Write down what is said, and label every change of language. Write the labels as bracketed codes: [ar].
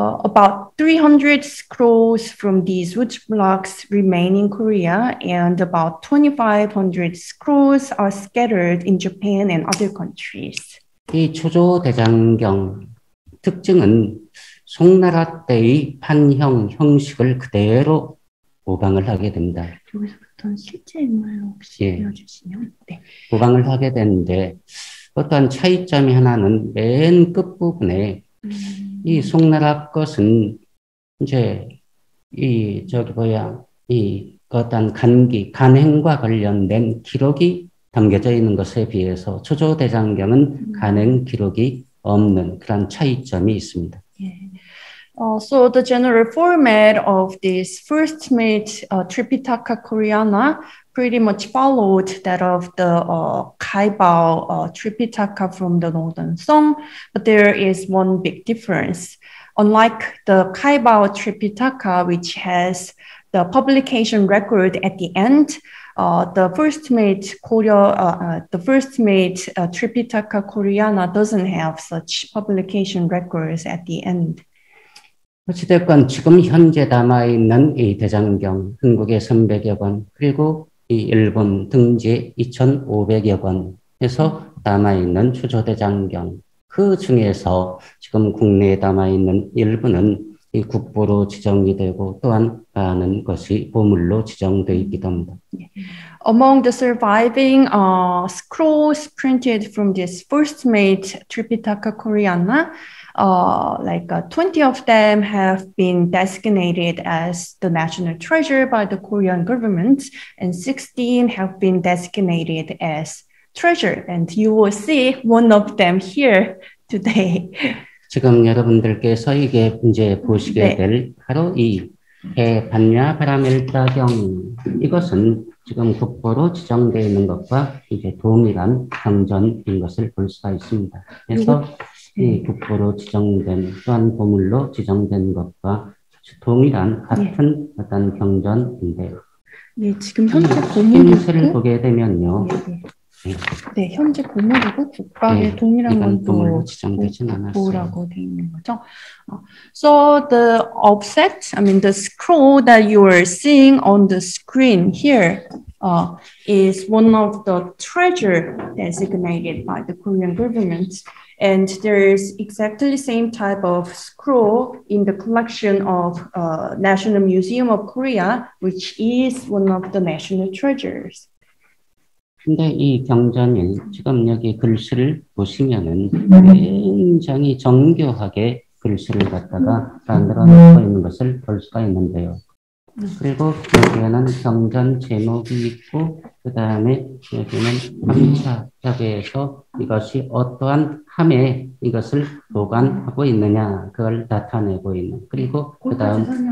[en] About 300 scrolls from these wood blocks remain in Korea, and about 2,500 scrolls are scattered in Japan and other countries. [ko] 이 초조 대장경 특징은 송나라 때의 판형 형식을 그대로 모방을 하게 됩니다. 여기서부터 실제인가요? 혹시 보여주시면 네. 모방을 하게 되는데 어떤 차이점이 하나는 맨 끝부분에 이 송나라 것은 이제 이 저기 뭐야 이 어떤 간기 간행과 관련된 기록이 담겨져 있는 것에 비해서 초조 대장경은 간행 기록이 없는 그런 차이점이 있습니다. [en] Yeah. So the general format of this first made Tripitaka Koreana pretty much followed that of the Kaibao Tripitaka from the Northern Song, but there is one big difference. Unlike the Kaibao Tripitaka, which has the publication record at the end, the first made Tripitaka Koreana doesn't have such publication records at the end. [ko] 어찌됐건 지금 현재 남아 있는 이 대장경 한국의 300여 권 그리고 이 일본 등지 2,500여 권에서 남아 있는 초조 대장경 그 중에서 지금 국내에 남아 있는 일부는 이 국보로 지정이 되고 또한 많은 것이 보물로 지정되어 있기도 합니다. [en] Among the surviving scrolls printed from this first made Tripitaka Koreana, like 20 of them have been designated as the national treasure by the Korean government, and 16 have been designated as treasure. And you will see one of them here today. [ko] 지금 여러분들께서 이게 이제 보시게 될 바로 이 해반야 바라밀다경 이것은 지금 국보로 지정되어 있는 것과 이제 동일한 경전인 것을 볼 수가 있습니다. 그래서 이 국보로 지정된 또한 보물로 지정된 것과 동일한 같은 네. 어떤 경전인데요. 네, 지금 현재 보물이고 신세를 보게 되면요. 네. 네, 현재 보물이고 국가의 네, 동일한 것도 지정되진 않았어요. 돼 있는 거죠. [en] So the offset, the scroll that you are seeing on the screen here is one of the treasure designated by the Korean government. And there is exactly the same type of scroll in the collection of National Museum of Korea, which is one of the national treasures. [ko] 근데 이 경전이 지금 여기 글씨를 보시면은 굉장히 정교하게 글씨를 갖다가 만들어 놓고 있는 것을 볼 수가 있는데요. 그리고 여기에는 경전 제목이 있고 그 다음에 여기는 함차라고 해서 이것이 어떠한 함에 이것을 보관하고 있느냐 그걸 나타내고 있는 그리고 그 다음